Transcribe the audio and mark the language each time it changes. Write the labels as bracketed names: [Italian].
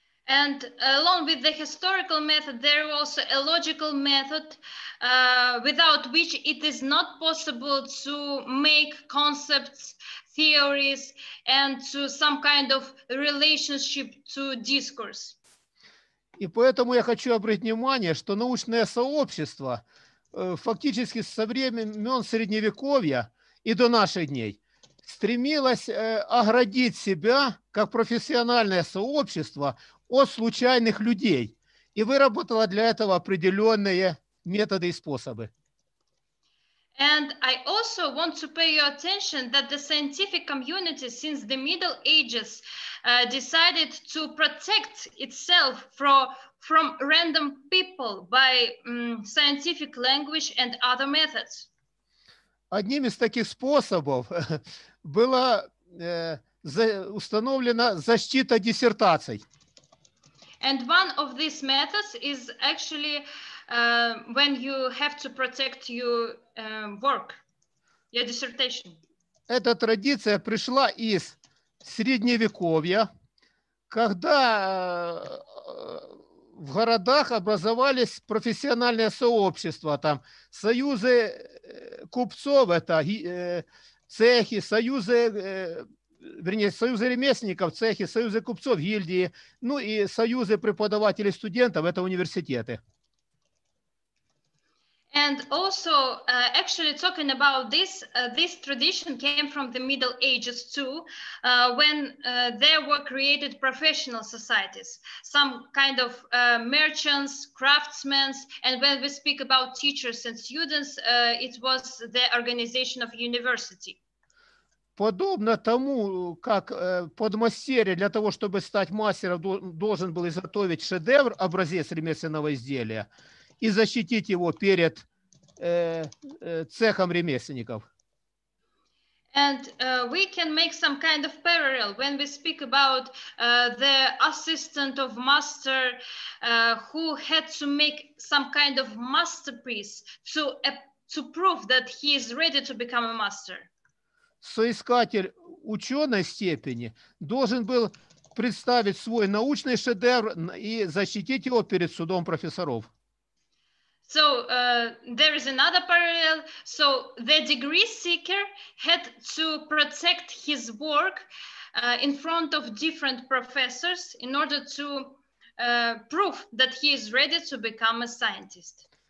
[English] And along with the historical method, there is also a logical method without which it is not possible to make concepts, theories, and to some kind of relationship to discourse. [Russian] И поэтому я хочу обратить внимание, что научное сообщество фактически со времен Средневековья и до наших дней стремилось оградить себя как профессиональное сообщество от случайных людей и выработала для этого определенные методы и способы. [English] And I also want to pay your attention that the scientific community since the Middle Ages decided to protect itself from random people by scientific language and other methods. [Russian] Одним из таких способов была установлена защита диссертаций. [English] And one of these methods is actually when you have to protect your work, your dissertation. [Russian] Эта традиция пришла из Средневековья, когда в городах образовались профессиональные сообщества, там союзы купцов, это цехи, союзы вернее, союзы ремесленников, цехи, союзы купцов, гильдии, ну и союзы преподавателей, студентов, это университеты. [English] And also, actually talking about this, this tradition came from the Middle Ages too, when there were created professional societies, some kind of merchants, craftsmen, and when we speak about teachers and students, it was the organization of university. [Russian] Подобно тому, как подмастерье для того, чтобы стать мастером, должен был изготовить шедевр, образец ремесленного изделия, и защитить его перед цехом ремесленников. [English] And we can make some kind of parallel when we speak about the assistant of master who had to make some kind of masterpiece to prove that he is ready to become a master. [Russian] Соискатель ученой степени должен был представить свой научный шедевр и защитить его перед судом профессоров. [English] So there is another parallel. So the degree seeker had to protect his work in front of different professors in order to prove that he is ready to become a scientist.